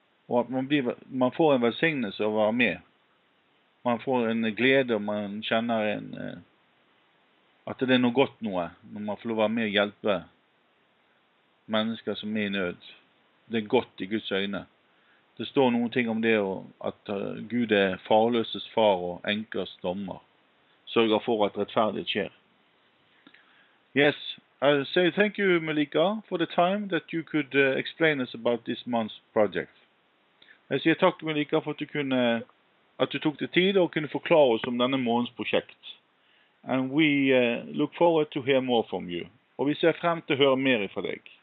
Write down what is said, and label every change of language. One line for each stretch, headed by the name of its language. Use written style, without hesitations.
Norwegian: Og at man får en velsignelse å være med. Man får en glede, og man kjenner at det er noe godt noe. Når man får lov å være med og hjelpe mennesker som er i nød. Det er godt i Guds øyne. Det står noen ting om det, at Gud er farløses far og enkers dommer. Sørger for at rettferdighet skjer.
English: Yes, I say thank you, Melika, for the time that you could explain us about this month's project.
Norwegian: Jeg sier takk, Melika, for at du tok deg tid og kunne forklare oss om denne måneds prosjekt.
English: And we look forward to hear more from you.
Norwegian: Og vi ser frem til å høre mer fra deg.